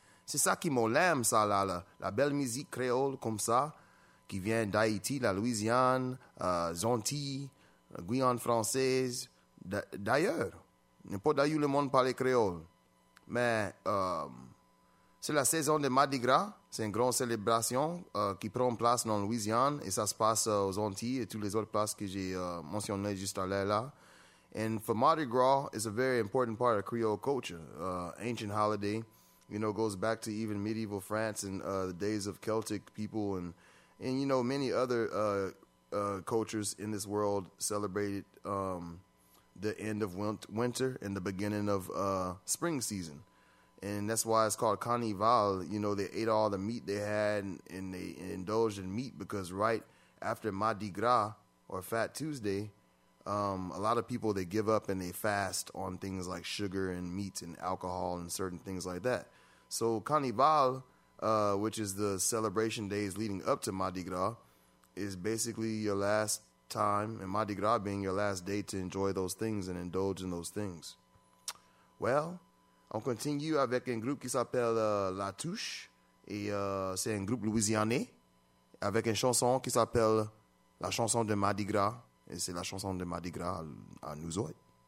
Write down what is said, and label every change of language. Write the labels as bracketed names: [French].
[French] C'est ça qui m'aime ça là, la belle musique créole comme ça qui vient d'Haïti, la Louisiane, Antilles, la Guyane française, d'ailleurs. N'importe où le monde parle créole. Mais C'est la saison de Mardi Gras. C'est une grande célébration qui prend place dans Louisiane et ça se passe aux Antilles et toutes les autres places que j'ai mentionnées juste à l'heure là. [English] And for Mardi Gras, it's a very important part of Creole culture, ancient holiday. You know, goes back to even medieval France and the days of Celtic people and you know, many other cultures in this world celebrated the end of winter and the beginning of spring season. And that's why it's called Carnival. You know, they ate all the meat they had and they indulged in meat because right after Mardi Gras or Fat Tuesday, a lot of people, they give up and they fast on things like sugar and meat and alcohol and certain things like that. So Carnival, which is the celebration days leading up to Mardi Gras, is basically your last time, and Mardi Gras being your last day to enjoy those things and indulge in those things. [French] Well, on continue avec un groupe qui s'appelle La Touche, et c'est un groupe louisianais, avec une chanson qui s'appelle La Chanson de Mardi Gras, et c'est la chanson de Mardi Gras à nous autres.